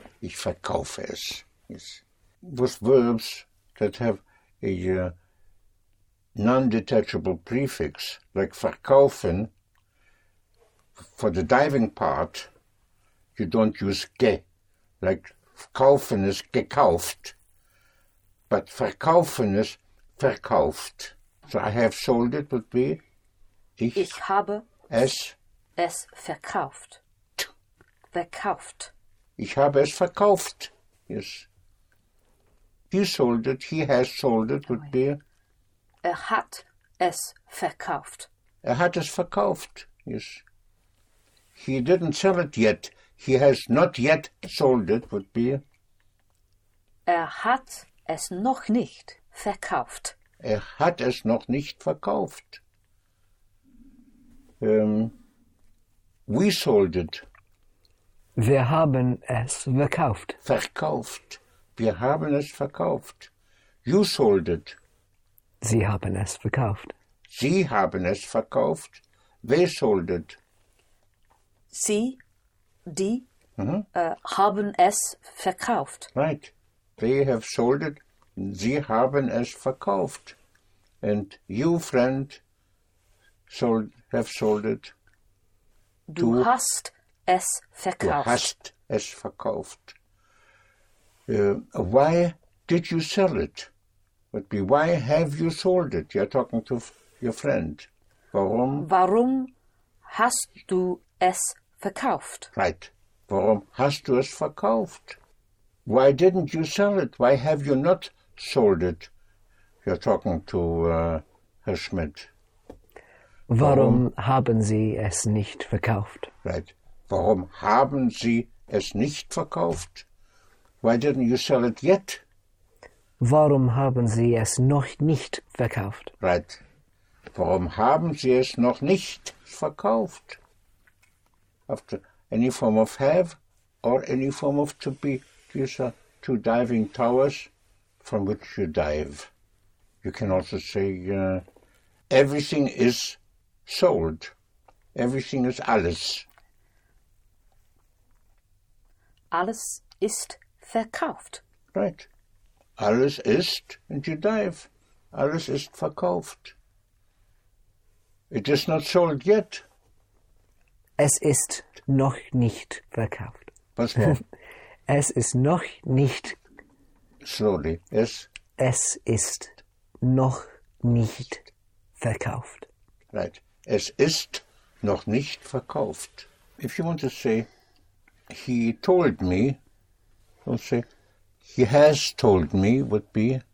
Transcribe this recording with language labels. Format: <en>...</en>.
<de>Ich verkaufe es. Yes.</de> <en>With verbs that have a non-detachable prefix, like verkaufen, for the diving part, you don't use ge. Like kaufen is gekauft. But verkaufen is verkauft. So I have sold it would be</en> <de>ich habe es verkauft. Verkauft. Ich habe es verkauft.</de> <en>Yes. He sold it. He has sold it would be</en> <de>hat es verkauft. Hat es verkauft.</de> <en>Yes. He didn't sell it yet. He has not yet sold it would be</en> <de>hat es noch nicht verkauft. Hat es noch nicht verkauft.</de> <en>We sold it.</en> <de>Wir haben es verkauft. Verkauft. Wir haben es verkauft.</de> <en>You sold it.</en> <de>Sie haben es verkauft. Sie haben es verkauft.</de> <en>They sold it.</en> <de>Sie, die, haben es verkauft.</de> <en>Right. They have sold it.</en> <de>Sie haben es verkauft.</de> <en>And you, friend, have sold it.</en> <de>Du hast es verkauft. Du hast es verkauft.</de> <en>Why did you sell it? Would be, why have you sold it? You're talking to your friend.</en> <de>Warum hast du es verkauft?</de> <en>Right.</en> <de>Warum hast du es verkauft?</de> <en>Why didn't you sell it? Why have you not sold it? You're talking to Herr Schmidt.</en> <de>Warum haben Sie es nicht verkauft?</de> <en>Right.</en> <de>Warum haben Sie es nicht verkauft?</de> <en>Why didn't you sell it yet?</en> <de>Warum haben Sie es noch nicht verkauft?</de> <en>Right.</en> <de>Warum haben Sie es noch nicht verkauft?</de> <en>After any form of have or any form of to be. These are two diving towers from which you dive. You can also say everything is sold. Everything is alles.</en> <de>Alles ist verkauft. Right. Alles ist in Judaev. Alles ist verkauft.</de> <en>It is not sold yet.</en> <de>Es ist noch nicht verkauft. Was? Es ist noch nicht.</de> <en>Slowly. Es.</en> <de>Es ist noch nicht verkauft.</de> <en>Right.</en> <de>Es ist noch nicht verkauft.</de> <en>If you want to say, he told me, don't say, he has told me, would be,</en>